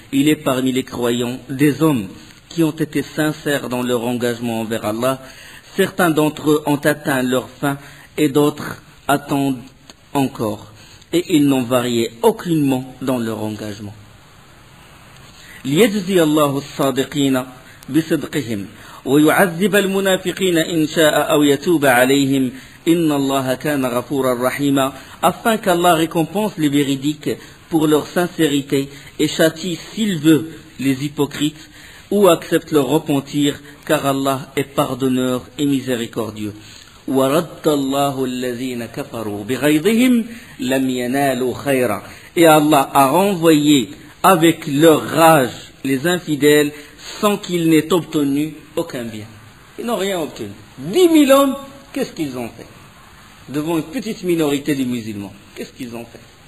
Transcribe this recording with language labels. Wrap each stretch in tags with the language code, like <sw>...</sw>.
<fr>Il est parmi les croyants des hommes qui ont été sincères dans leur engagement envers Allah. Certains d'entre eux ont atteint leur fin et d'autres attendent encore. Et ils n'ont varié aucunement dans leur engagement.</fr> <ar>ليجزي الله الصادقين بصدقهم ويعذب المنافقين إن شاء أو يتوب عليهم إن الله كان غفورا رحيما.</ar> <fr>Afin qu'Allah récompense les véridiques pour leur sincérité et châtie s'il veut les hypocrites ou accepte leur repentir, car Allah est pardonneur et miséricordieux.</fr> <ar>ورد الله الذين كفروا بغيظهم لم ينالوا خيرا.</ar> <fr>Et Allah a renvoyé avec leur rage les infidèles sans qu'ils n'aient obtenu aucun bien. Ils n'ont rien obtenu. 10 000 hommes, qu'est-ce qu'ils ont fait devant une petite minorité des musulmans? Qu'est-ce qu'ils ont fait?</fr>